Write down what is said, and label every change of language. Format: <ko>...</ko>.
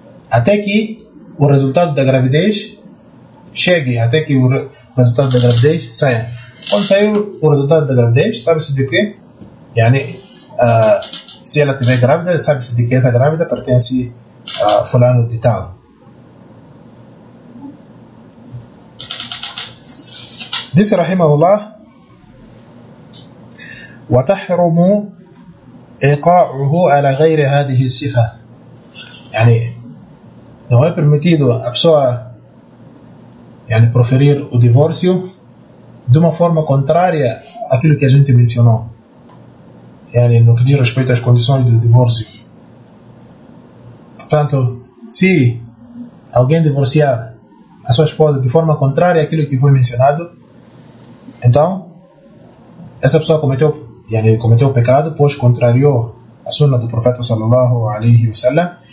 <pt>Até que o resultado da gravidez chegue, até que o resultado da gravidez saia. Quando saiu o resultado da gravidez, sabe-se de que, yani, se ela estiver grávida, sabe-se de que essa grávida pertence a fulano de tal. Disse Rahimahullah,</pt> <ar>وَتَحْرُمُ إِقَاعُهُ عَلَى غَيْرِ هَذِهِ الصِّفَةِ.</ar> <pt>Yani, não é permitido a pessoa yani, proferir o divórcio de uma forma contrária àquilo que a gente mencionou, yani, no que diz respeito às condições do divórcio. Portanto, se alguém divorciar a sua esposa de forma contrária àquilo que foi mencionado, então essa pessoa cometeu pecado, pois contrariou a sunna do profeta sallallahu alaihi wasallam.</pt>